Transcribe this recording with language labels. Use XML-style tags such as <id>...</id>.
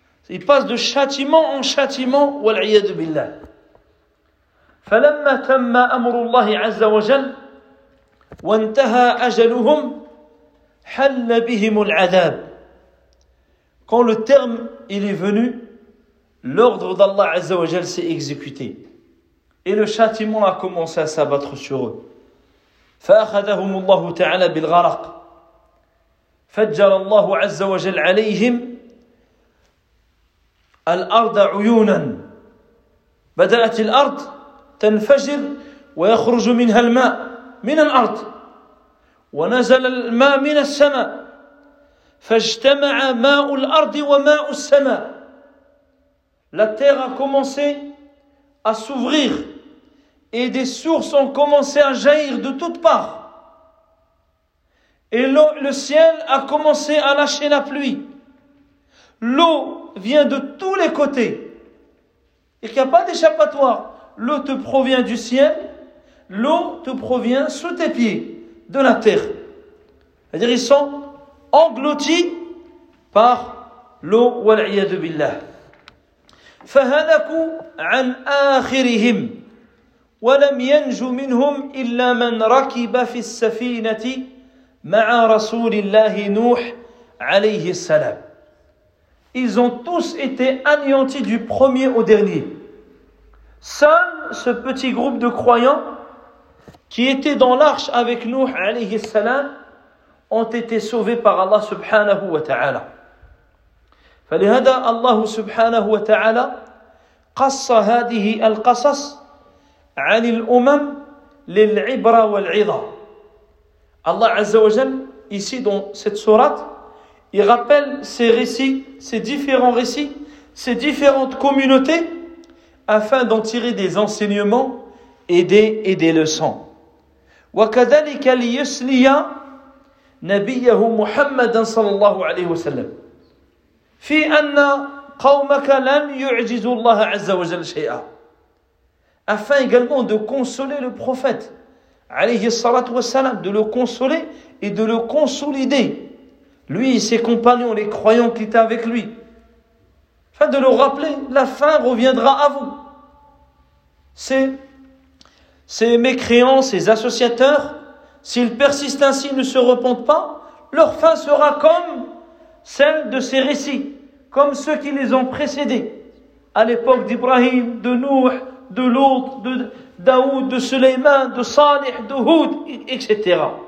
<fr>Il passe de châtiment en châtiment.</fr> <ar>Wal'iyadu billah. Falamma tamma amru Allahi azza wa jal wa intaha ajaluhum حل بهم العذاب.</ar> <fr>Quand le terme il est venu l'ordre d'Allah Azza wa Jal s'est exécuté et le châtiment a commencé à s'abattre sur eux.</fr> <ar>فأخذهم الله تعالى بالغرق فجر الله عز وجل عليهم الأرض عيونا بدأت الأرض تنفجر ويخرج منها الماء من الأرض ونزل الماء من السماء فاجتمع ماء الأرض وماء السماء.</ar> <fr>La terre a commencé à s'ouvrir et des sources ont commencé à jaillir de toutes parts. Et l'eau, le ciel a commencé à lâcher la pluie. L'eau vient de tous les côtés. Il n'y a pas d'échappatoire. L'eau te provient du ciel, l'eau te provient sous tes pieds, de la terre. C'est-à-dire ils sont engloutis par l'eau.</fr> <ar>Wal'iyadu billah. فهلكوا عن آخرهم ولم ينجوا منهم إلا من ركب في السفينة مع رسول الله نوح عليه السلام.</ar> <fr>Ils ont tous été anéantis du premier au dernier. Seul ce petit groupe de croyants qui était dans l'arche avec Nuh عليه السلام ont été sauvés par Allah subhanahu wa ta'ala.</fr> <ar>فلهذا الله سبحانه وتعالى قص هذه القصص عن الأمم للعبرة والعظة.</ar> <fr>الله عز وجل ici dans cette sourate il rappelle ces récits, ces différents récits, ces différentes communautés afin d'en tirer des enseignements et des leçons.</fr> <ar>وكذلك ليسلي نبيه محمد صلى الله عليه وسلم في أن قومك لن يعجز الله عز وجل شيئا.</ar> <fr>Afin également de consoler le prophète عليه الصلاة والسلام, de le consoler et de le consolider, lui et ses compagnons, les croyants qui étaient avec lui. Afin de le rappeler, la fin reviendra à vous. Ces mécréants, ces associateurs, s'ils persistent ainsi, ne se repentent pas, leur fin sera comme celle de ces récits, comme ceux qui les ont précédés à l'époque d'Ibrahim, de Nuh, de Lot, de Daoud, de Suleyman, de Salih, de Houd, etc.</fr>